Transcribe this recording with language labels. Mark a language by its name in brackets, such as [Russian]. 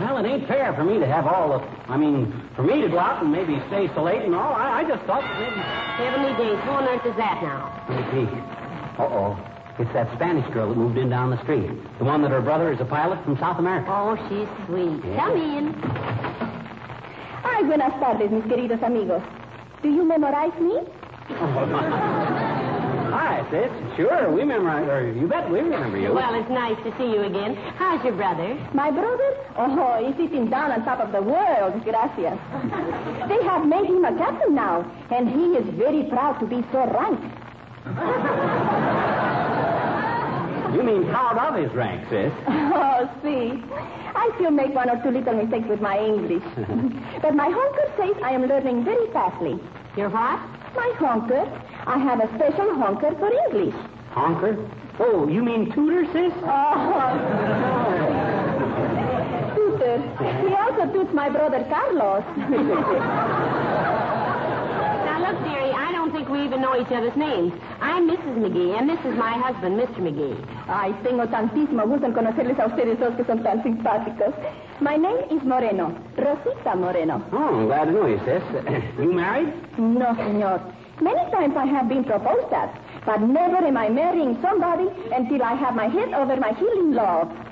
[English] Well, it ain't fair for me to have all the... I mean, for me to go out and maybe stay so late and all. I just thought... Heavenly days, who on earth is that now? McGee. Uh-oh. It's that Spanish girl that moved in down the street. The one that her brother is a pilot from South America. Oh, she's sweet. Yeah. Come in. [Spanish] Ay, buenas tardes, mis queridos amigos. [English] Do you memorize me? Hi, sis. Sure, we memorize, or you bet we remember you. Well, it's nice to see you again. How's your brother? My brother? Oh, he's sitting down on top of the world, gracias. They have made him a captain now, and he is very proud to be so rank. You mean proud of his rank, sis? Oh, see. I still make one or two little mistakes with my English. But my honker says I am learning very fastly. Your what? My honker. I have a special honker for English. Honker? Oh, you mean tutor, sis? Oh. Tutor. He also tutes my brother Carlos. Now, look, dearie, I don't think we even know each other's names. I'm Mrs. McGee, and this is my husband, Mr. McGee. [Spanish] Ay, tengo tantísimo gusto en conocerles a ustedes dos que son tan simpáticos. [English] My name is Moreno, Rosita Moreno. Oh, I'm glad to know you, sis. You married? [Spanish] No, señor. [English] Many times I have been proposed at, but never am I marrying somebody until I have my head over my heel in love.